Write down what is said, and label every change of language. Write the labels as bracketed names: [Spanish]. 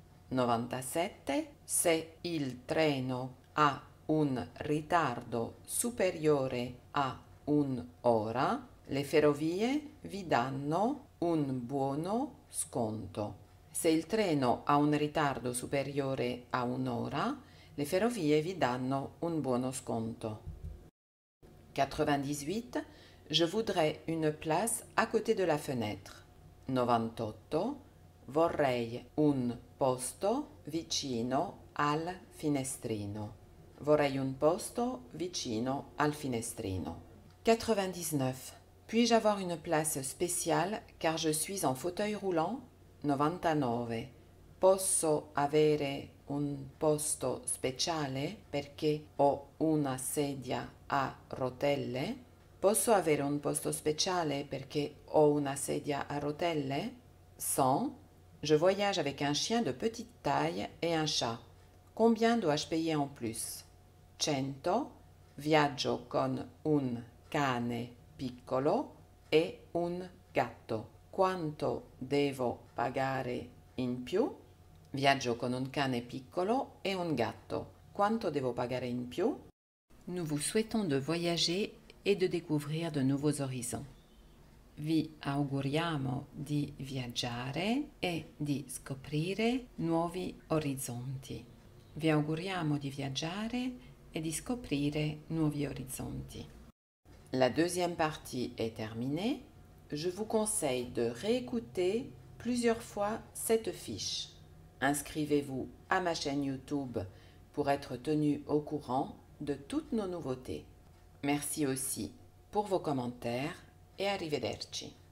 [Italian] 97. Se il treno ha un ritardo superiore a un'ora, le ferrovie vi danno un buono sconto. Se il treno ha un ritardo superiore a un'ora, le ferrovie vi danno un buono sconto. 98. [French] Je voudrais une place à côté de la fenêtre. [Italian] 98. Vorrei un posto vicino al finestrino. Vorrei un posto vicino al finestrino. [French] 99. Puis-je avoir une place spéciale car je suis en fauteuil roulant? [Italian] 99. Posso avere un posto speciale perché ho una sedia a rotelle? Posso avere un posto speciale perché ho una sedia a rotelle? [French] Sans, je voyage avec un chien de petite taille et un chat. Combien dois-je payer en plus? [Italian] 100, viaggio con un cane piccolo e un gatto. Quanto devo pagare in più? Viaggio con un cane piccolo e un gatto. Quanto devo pagare in più? [French] Nous vous souhaitons de voyager et de découvrir de nouveaux horizons. [Italian] Vi auguriamo di viaggiare e di scoprire nuovi orizzonti. Vi auguriamo di viaggiare e di scoprire nuovi orizzonti. [French] La deuxième partie est terminée. Je vous conseille de réécouter plusieurs fois cette fiche. Inscrivez-vous à ma chaîne YouTube pour être tenu au courant de toutes nos nouveautés. Merci aussi pour vos commentaires et arrivederci.